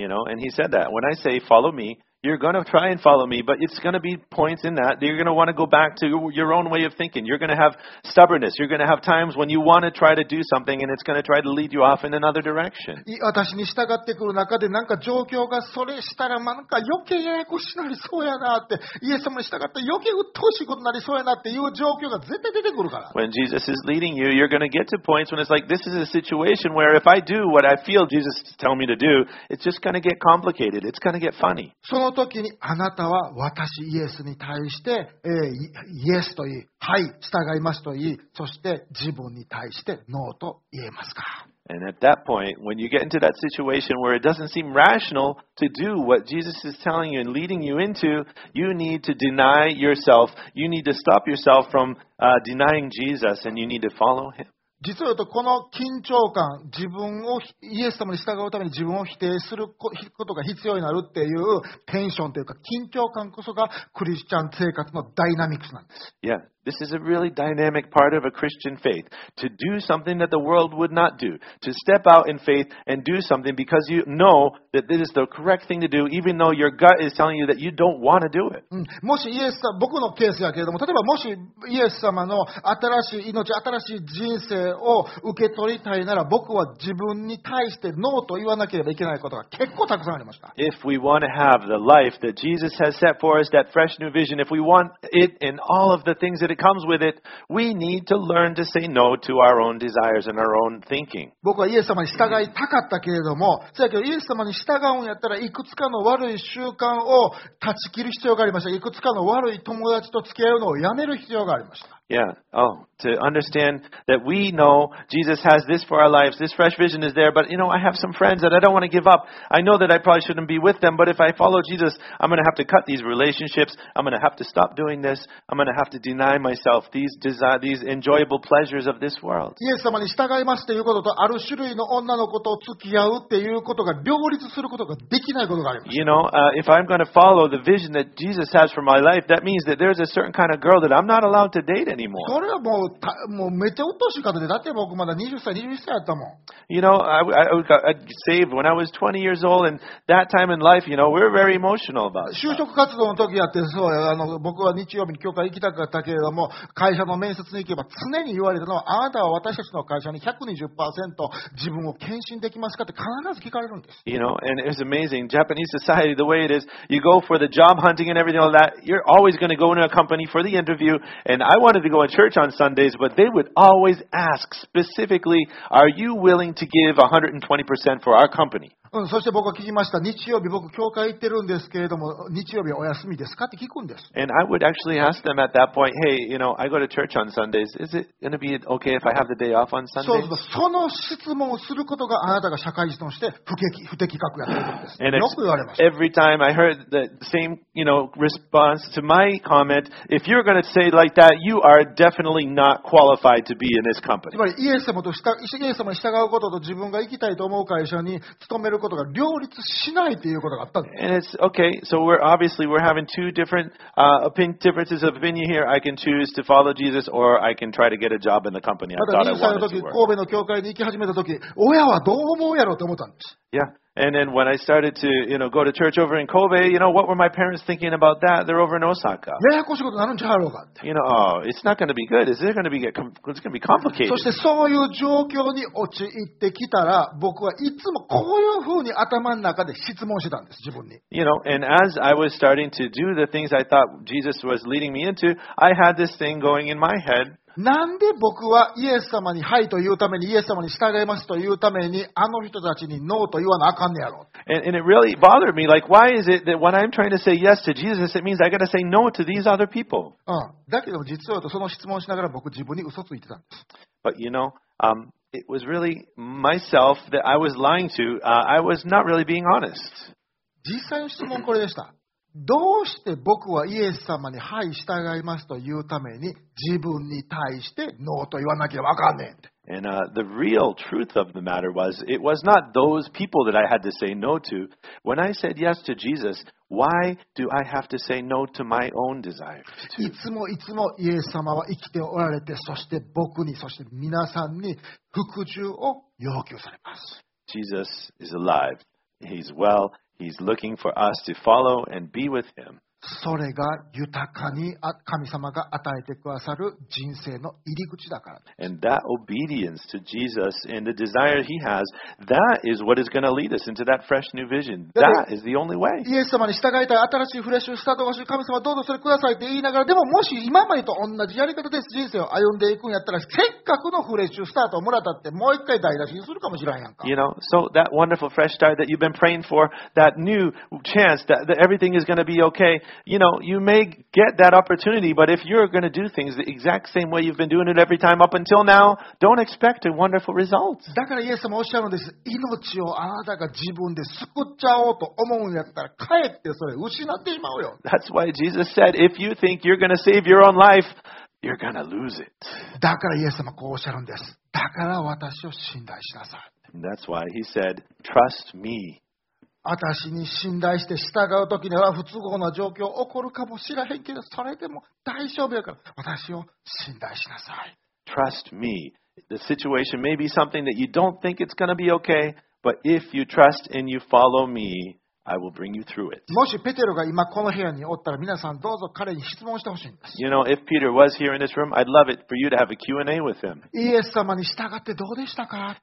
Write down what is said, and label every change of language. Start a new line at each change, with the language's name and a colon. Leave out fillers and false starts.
English: You know, and he said that. When I say, follow me,You're going to try and follow me, but it's going to be points in that. You're going to want to go back to your own way of thinking. You're going to have stubbornness. You're going to have times when you want to try to do something and it's going to try to lead you off in another direction.
Japanese: 私に従ってくる中でなんか状況がそれしたらなんか余計ややこしくなりそうやなって、イエス様に従ったら余計鬱陶しいことになりそうやなっていう状況が絶対出てくるから。
English: When Jesus is leading you, you're going to get to points when it's like, this is a situation where if I do what I feel Jesus is telling me to do, it's just going to get complicated. It's going to get funny.
Japanese: その時にあなたは私イエスに対して、イエスと言い、はい、従いますと言い、そして自分に対してノーと言えますか。
English: And at that point, when you get into that situation where it doesn't seem rational to do what Jesus is telling you and leading you into, you need to deny yourself. You need to stop yourself from denying Jesus and you need to follow him.
Japanese: 実は言うとこの緊張感、自分をイエス様に従うために自分を否定することが必要になるっていうテンションというか緊張感こそがクリスチャン生活のダイナミックスなんです。
English: Yeah. This is a really dynamic part of a Christian faith. To do something that the world would not do. To step out in faith and do something because you know that this is the correct thing to do, even though your gut is telling you that you don't want to do it.
Japanese: もしイエス様、僕のケースやけれども、例えばもしイエス様の新しい命、新しい人生を受け取りたいなら、僕は自分に対してノーと言わなければいけないことが結構たくさんありました。
English: If we want to have the life that Jesus has set for us, that fresh new vision, if we want it and all of the things that it comes with it, we need to learn to say no to our own desires and our own thinking.
Japanese: 僕はイエス様に従いたかったけれども、そやけどイエス様に従うんやったらいくつかの悪い習慣を断ち切る必要がありました。いくつかの悪い友達と付き合うのをやめる必要がありました。
English: Yeah. Oh, to understand that we know Jesus has this for our lives. This fresh vision is there. But you know, I have some friends that I don't want to give up. I know that I probably shouldn't be with them. But if I follow Jesus, I'm going to have to cut these relationships. I'm going to have to stop doing this. I'm going to have to deny myself these desire, these enjoyable pleasures of this world.
Japanese: イエス様に従いますということとある種類の女の子と付き合うっていうことが両立することができないことがあります。
English: You know, if I'm going to follow the vision that Jesus has for my life, that means that there's a certain kind of girl that I'm not allowed to date.
Japanese: それはもうめっちゃ鬱陶しい方で、だって僕まだ20歳、21歳だったもん。
English: You know, I saved when I was 20 years old, and that time in life, you know, we're very emotional about it.
Japanese: 就職活動の時やって、そう、僕は日曜日に教会行きたかったけれども、会社の面接に行けば常に言われたのは、あなたは私たちの会社に 120% 自分を献身できますかって必ず聞かれるんです。
English: You know, and it's amazing. Japanese society, the way it is, you go for the job hunting and everything like that, you're always going to go into a company for the interview, and I wantedTo go to church on Sundays, but they would always ask specifically, "Are you willing to give 120% for our company?"
Japanese: そして僕は聞きました。日曜日僕教会行ってるんですけれども、日曜日お休みですかって聞くんです。
English: And I would actually ask them at that point, "Hey, you know, I go to church on Sundays. Is it going to be okay if I have the day off on Sundays?"
Japanese: そうです。その質問をすることがあなたが社会人として不適格やってるんです。よく言われました。
English: Every time I heard the same, you know, response to my comment, if you're going to say like that, you are definitely not qualified to be in this company.
Japanese: つまりイエス様と従うことと自分が行きたいと思う会社に勤めることが両立しないということがあったんです。
English: And it's okay. So we're obviously we're having two different differences of opinion here. I can choose to follow Jesus or I can try to get a job in the company. I thought I wanted to work.
Japanese: また20歳の時、神戸の教会に行き始めた時、親はどう思うやろうと思ったんです。
English: Yeah. And then when I started to, you know, go to church over in Kobe, you know, what were my parents thinking about that? They're over in Osaka.
Japanese: ややこしいことになるんちゃうろうかって。
English: You know, oh, it's not going to be good. Is it going to be, it's going to be complicated.
Japanese: そしてそういう状況に陥ってきたら、僕はいつもこういうふうに頭の中で質問してたんです、自分に。
English: You know, and as I was starting to do the things I thought Jesus was leading me into, I had this thing going in my head.
Japanese: なんで僕はイエス様にはいと言うために、イエス様に従いますと言うために、あの人たちにノーと言わなあかんねやろ。
English: And it really bothered me, like, why is it that when I'm trying to say yes to Jesus, it means I gotta say no to these other people?
Japanese: だけど実はとその質問しながら僕自分に嘘ついてたんです。
English: But you know, it was really myself that I was lying to. I was not really being honest.
Japanese: 実際の質問これでした。どうして僕はイエス様にはい従いますというために自分に対してノーと言わなきゃわかんねえって。
English: And the real truth of the matter was, it was not those people that I had to say no to. When I said yes to Jesus, why do I have to say no to my own desires?
Japanese: いつもいつもイエス様は生きておられて、そして僕に、そして皆さんに服従を要求されます。
English: Jesus is alive. He's well.He's looking for us to follow and be with him.
Japanese: それが豊かに神様が与えてくださる人生の入り口だからです。
English: And that obedience to Jesus and the desire he has, that is what is going to lead us into that fresh new vision. That is the only way.
Japanese: イエス様に従いたい、新しいフレッシュスタートが欲しい、神様どうぞそれくださいって言いながら、でももし今までと同じやり方です人生を歩んでいくんやったら、せっかくのフレッシュスタートをもらったってもう一回台無しにするかもしれないやんか。
English: You know, so that wonderful fresh start that you've been praying for, that new chance that everything is going to be okay. You know, you may get that opportunity, but if you're going to do things the exact same way you've been doing it every time up until now, don't expect a wonderful result.
Japanese: だからイエス様おっしゃるのです。命をあなたが自分で救っちゃおうと思うんやったら、かえってそれ失ってしまうよ。
English: That's why Jesus said, if you think you're going to save your own life, you're going to lose it.
Japanese: だからイエス様こうおっしゃるんです。だから私を信頼しなさい。
English: That's why he said, trust me.
Japanese: 私に信頼して従うときには不都合な状況起こるかもしれへんけど、それでも大丈夫やから、私を信頼しなさい。
English: Trust me. The situation may be something that you don't think it's going to be okay, but if you trust and you follow me, I will bring you through it.
Japanese: もしペテロが今この部屋におったら、皆さんどうぞ彼に質問してほしいんです。
English: You know, if Peter was here in this room, I'd love it for you to have a Q&A with him.
Japanese: イエス様に従ってどうでしたか?